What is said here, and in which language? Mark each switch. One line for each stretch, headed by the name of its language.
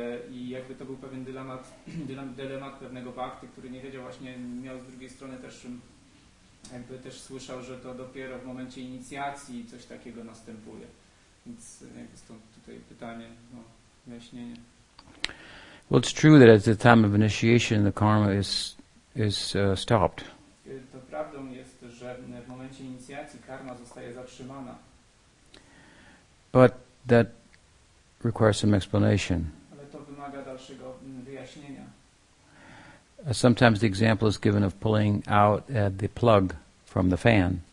Polish: I jakby to był pewien dylemat pewnego bhakty, który nie wiedział właśnie, miał z drugiej strony też, jakby też słyszał, że to dopiero w momencie inicjacji coś takiego następuje. Więc jakby stąd tutaj pytanie, no, wyjaśnienie.
English: Well, it's true that at the time of initiation, the karma is stopped.
Polish: To prawdą jest, że w momencie inicjacji karma zostaje zatrzymana.
English: But that requires some explanation.
Polish: Ale to wymaga dalszego wyjaśnienia.
English: Sometimes the example is given of pulling out the plug from the fan.